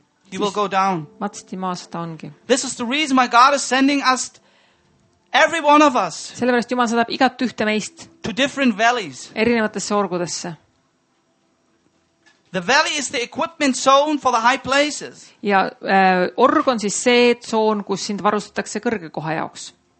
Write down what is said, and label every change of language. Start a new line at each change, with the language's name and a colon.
English: He will go down. Matsti maasta ongi. This is the reason why God is sending us every one of us.
Estonian: Sellepärast Jumal saadab igat ühte meist.
English: To different valleys.
Estonian: Erinevatesse orgudesse.
English: The valley is the equipment zone for the high places.
Estonian: Ja org on siis see zoon, kus sind varustatakse kõrge koha jaoks.